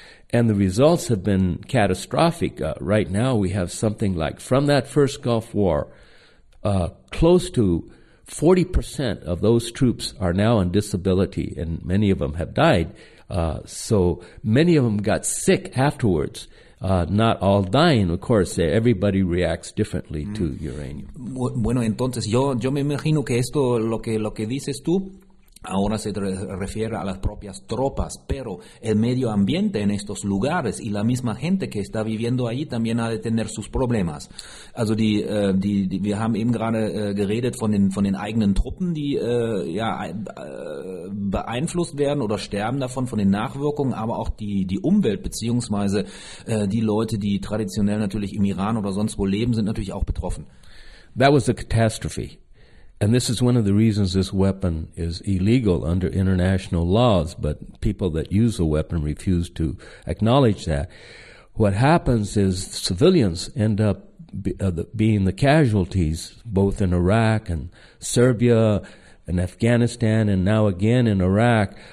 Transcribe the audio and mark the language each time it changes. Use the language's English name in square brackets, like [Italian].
[English] And the results have been catastrophic. Right now we have something like, from that first Gulf War, close to 40% of those troops are now on disability, and many of them have died. So many of them got sick afterwards, not all dying. Of course, everybody reacts differently to uranium. [Spanish] Bueno, entonces yo me imagino que esto, lo que dices tú, ahora se refiere a las propias tropas, pero el medio ambiente en estos lugares y la misma gente que está viviendo allí también ha de tener sus problemas. [German] Also die wir haben eben gerade geredet von den eigenen Truppen, die beeinflusst werden oder sterben davon, von den Nachwirkungen, aber auch die Umwelt beziehungsweise die Leute, die traditionell natürlich im Iran oder sonst wo leben, sind natürlich auch betroffen. [English] That was a catastrophe. And this is one of the reasons this weapon is illegal under international laws, but people that use the weapon refuse to acknowledge that. What happens is civilians end up being the casualties, both in Iraq and Serbia and Afghanistan and now again in Iraq.